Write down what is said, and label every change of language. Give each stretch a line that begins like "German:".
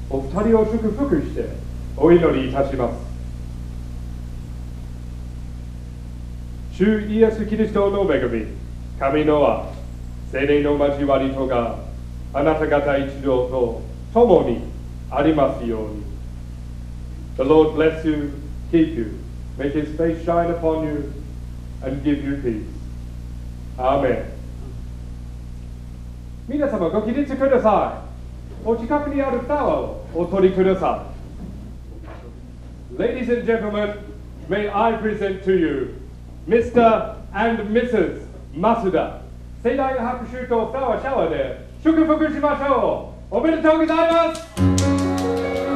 Japanese: お二人を祝福してお祈りいたします。主イエスキリストの恵み、神の愛、聖霊の交わりとがあなた方一同と共にありますように。
English: The Lord bless you, keep you, make his face shine upon you, and give you peace. Amen.
Japanese: 皆様ご起立ください。お近くにあるタワーをお取りください。
English: Ladies and gentlemen, may I present to you Mr. and Mrs. Masuda.
Japanese: 盛大な拍手とタワーシャワーで祝福しましょう。おめでとうございます。